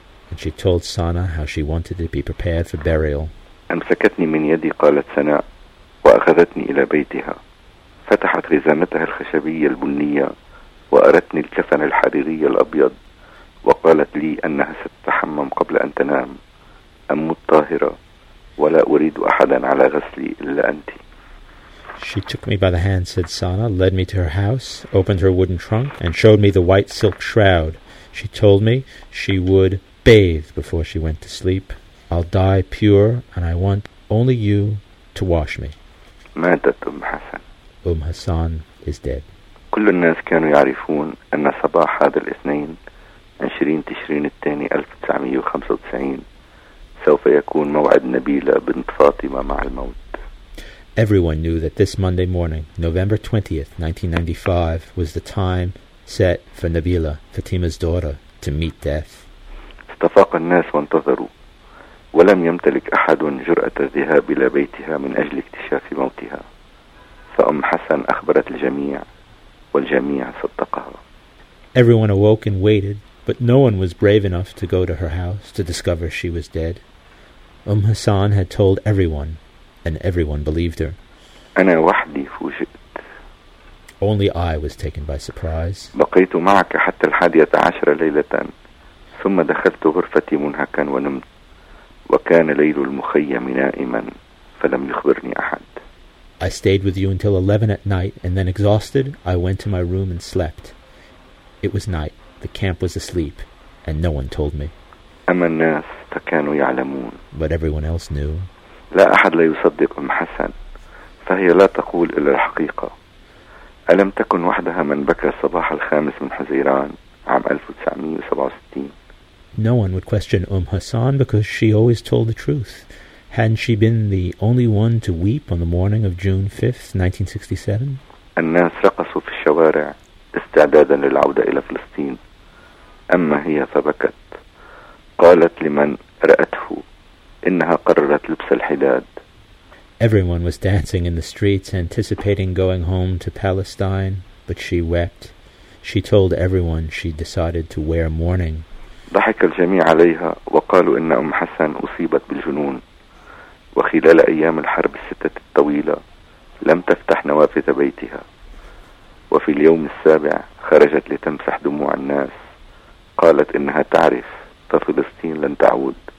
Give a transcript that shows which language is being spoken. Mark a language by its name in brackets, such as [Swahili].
[English] And she told Sana how she wanted to be prepared for burial. [Arabic] أمسكتني من يدي قالت سناء وأخذتني إلى بيتها فتحت غزامتها الخشبية البنية وأرتني الكفن الحريري الأبيض وقالت لي أنها ستتحمم قبل أن تنام أم الطاهرة ولا أريد أحدا على غسلي إلا أنت. [English] She took me by the hand, said Sana, led me to her house, opened her wooden trunk, and showed me the white silk shroud. She told me she would bathe before she went to sleep. I'll die pure, and I want only you to wash me. [Arabic] ماتت أم حسن. [English] أم حسن is dead. [Arabic] كل الناس كانوا يعرفون أن صباح هذا الاثنين 20 تشرين الثاني 1995 سوف يكون موعد نبيلة بنت فاطمة مع الموت. [English] Everyone knew that this Monday morning, November 20th, 1995, was the time set for Nabila, Fatima's daughter, to meet death. [Arabic] استفاق الناس وانتظروا ولم يمتلك أحد جرأة الذهاب إلى بيتها من أجل اكتشاف موتها. فأم حسن أخبرت الجميع والجميع صدقها. [English] Everyone awoke and waited, but no one was brave enough to go to her house to discover she was dead. Umm Hassan had told everyone, and everyone believed her. [Arabic] أنا وحدي فوجئت. [English] Only I was taken by surprise. [Arabic] بقيت معك حتى الحادية عشر ليلة ثم دخلت غرفتي منهكا ونمت وكان ليل المخيم نائما فلم يخبرني أحد. [English] I stayed with you until 11 at night and then exhausted I went to my room and slept. It was night, the camp was asleep and no one told me. [Arabic] أما الناس فكانوا يعلمون. [English] But everyone else knew. [Arabic] لا أحد لا يصدق أم حسن فهي لا تقول إلا الحقيقة. ألم تكن وحدها من بكى صباح الخامس من حزيران عام 1967؟ [English] No one would question Umm Hassan because she always told the truth. Hadn't she been the only one to weep on the morning of June 5th, 1967? [Arabic] الناس رقصوا في الشوارع استعدادا للعودة إلى فلسطين. أما هي فبكت. قالت لمن رأته إنها قررت لبس الحداد. [English] Everyone was dancing in the streets, anticipating going home to Palestine, but she wept. She told everyone she decided to wear mourning. [Arabic] ضحك الجميع عليها وقالوا إن أم حسن أصيبت بالجنون. وخلال أيام الحرب الستة الطويلة لم تفتح نوافذ بيتها. وفي اليوم السابع خرجت لتمسح دموع الناس. قالت إنها تعرف ففلسطين لن تعود.